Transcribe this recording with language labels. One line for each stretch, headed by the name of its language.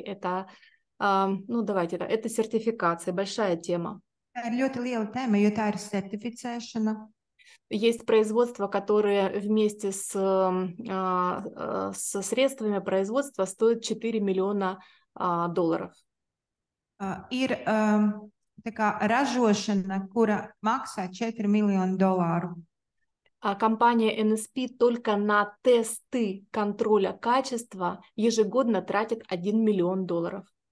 Russian: Это, ну, давайте, это сертификация. Большая тема.
Latvian: Ļoti liela tēma, jo tā ir sertificēšana.
Russian: Есть производства, которые вместе с, со средствами производства стоят 4 миллиона долларов.
Latvian: Ir tā kā ražošana, kura maksā 4 miljonu dolāru.
Russian: Компания NSP только на тесты контроля качества ежегодно тратит 1 миллион долларов.